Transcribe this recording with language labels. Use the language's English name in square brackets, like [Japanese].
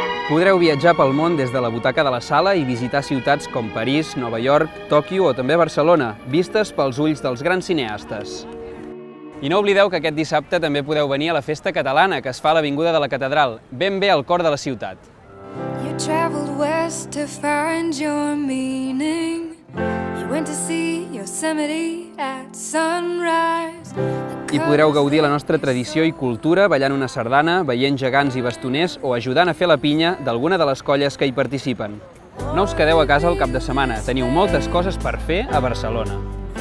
[Catalan] Podreu viatjar pel món des de la butaca de la sala i visitar ciutats com París, Nova York, Tòquio o també Barcelona, vistes pels ulls dels grans cineastes. I no oblideu que aquest dissabte també podeu venir a la Festa Catalana, que es fa a l'Avinguda de la Catedral, ben bé al cor de la ciutat. [English] You traveled west to find your meaning. You went to see Yosemite at sunrise. [Catalan] I podreu gaudir la nostra tradició i cultura ballant una sardana, veient gegants i bastoners o ajudant a fer la pinya d'alguna de les colles que hi participen. No us quedeu a casa el cap de setmana, teniu moltes coses per fer a Barcelona.